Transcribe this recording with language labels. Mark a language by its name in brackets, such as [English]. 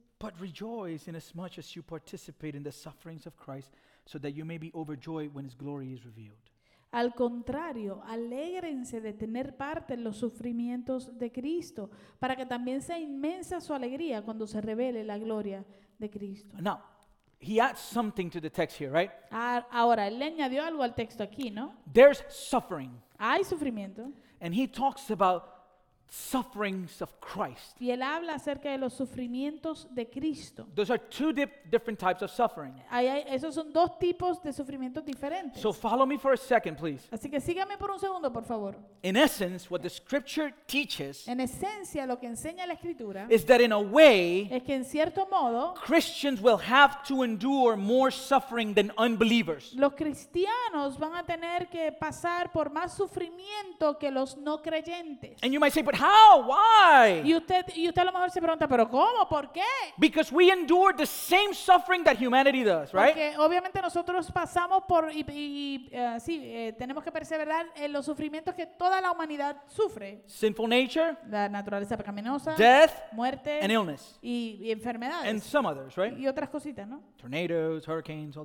[English] But rejoice inasmuch as you participate in the sufferings of Christ, so that you may be overjoyed when his glory is revealed. [Spanish] Al contrario, alégrense de tener parte en los sufrimientos de Cristo, para que también sea inmensa su alegría cuando se revele la gloria de Cristo. [English] Now, he adds something to the text here, right? [Spanish] Ahora, él le añadió algo al texto aquí, ¿no? [English] There's suffering. [Spanish] Hay sufrimiento. [English] And he talks about sufferings of Christ. [Spanish] Y él habla acerca de los sufrimientos de Cristo. [English] Those are two different types of suffering. [Spanish] Esos son dos tipos de sufrimientos diferentes. [English] So follow me for a second, please. [Spanish] Así que sígame por un segundo, por favor. [English] In essence, what the Scripture teaches. [Spanish] En esencia, lo que enseña la Escritura. [English] Is that in a way. [Spanish] Es que en cierto modo. [English] Christians will have to endure more suffering than unbelievers. [Spanish] Los cristianos van a tener que pasar por más sufrimiento que los no creyentes. [English] And you might say, but how? Why? [Spanish] Y usted a lo mejor se pregunta, ¿pero cómo? ¿Por qué? [English] Because we endure the same suffering that humanity does, right? [Spanish] Porque obviamente nosotros pasamos por tenemos que perseverar en los sufrimientos que toda la humanidad sufre. [English] Sinful nature, [Spanish] la naturaleza pecaminosa, [English] death, [Spanish] muerte, [English] and illness, [Spanish] y enfermedades, [English] and some others, right? [Spanish] Y otras cositas, ¿no? [English] Tornadoes, hurricanes, all